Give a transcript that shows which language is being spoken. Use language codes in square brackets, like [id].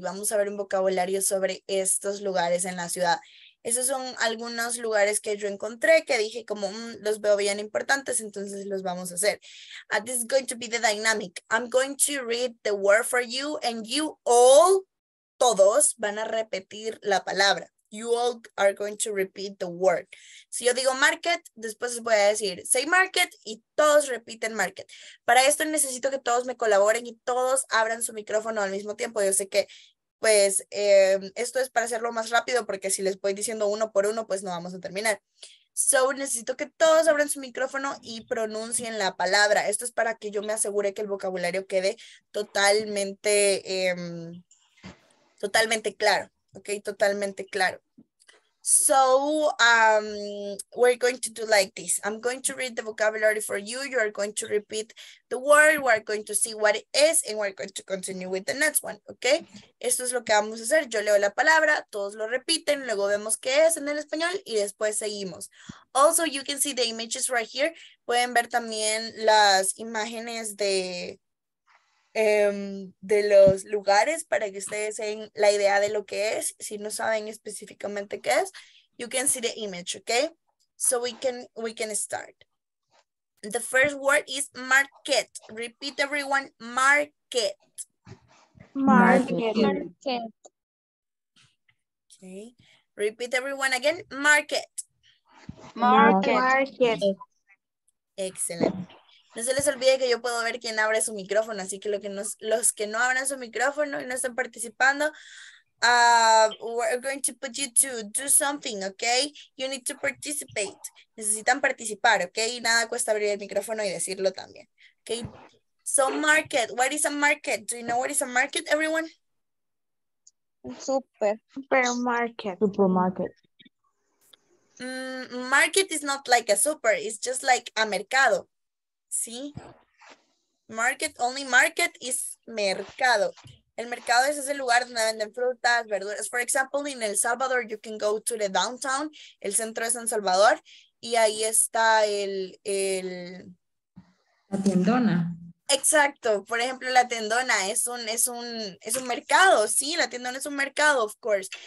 [es] Vamos a ver un vocabulario sobre estos lugares en la ciudad. Esos son algunos lugares que yo encontré que dije como los veo bien importantes, entonces los vamos a hacer. [en] This is going to be the dynamic. I'm going to read the word for you and you all, [es] todos, van a repetir la palabra. [en] You all are going to repeat the word. [es] Si yo digo market, después voy a decir [en] say market [es] y todos repiten market. Para esto necesito que todos me colaboren y todos abran su micrófono al mismo tiempo. Yo sé que pues esto es para hacerlo más rápido porque si les voy diciendo uno por uno, pues no vamos a terminar. So necesito que todos abran su micrófono y pronuncien la palabra. Esto es para que yo me asegure que el vocabulario quede totalmente, totalmente claro. [en] Okay, [es] totalmente claro. [en] So, we're going to do like this. I'm going to read the vocabulary for you. You are going to repeat the word. We're going to see what it is. And we're going to continue with the next one. [es] Okay? Esto es lo que vamos a hacer. Yo leo la palabra. Todos lo repiten. Luego vemos qué es en el español. Y después seguimos. [en] Also, you can see the images right here. [es] Pueden ver también las imágenes de... de los lugares para que ustedes den la idea de lo que es. Si no saben específicamente qué es, [en] you can see the image, okay? So we can start. The first word is market. Repeat everyone, market. Market. Okay. Repeat everyone again, market. Market. [es] Excellent. No se les olvide que yo puedo ver quién abre su micrófono, así que los que no abran su micrófono y no están participando, [en] we're going to put you to do something, okay? You need to participate. [es] Necesitan participar, okay? Nada cuesta abrir el micrófono y decirlo también, okay? [en] So market, what is a market? Do you know what is a market, everyone? Supermarket. Supermarket. Market is not like a super, it's just like a mercado. Sí, market, only market is mercado. [es] El mercado es ese lugar donde venden frutas, verduras. [en] For example, in El Salvador, you can go to the downtown, [es] el centro de San Salvador, y ahí está la tiendona. Exacto, por ejemplo, la tiendona es un mercado, sí, la tiendona es un mercado, [en] of course.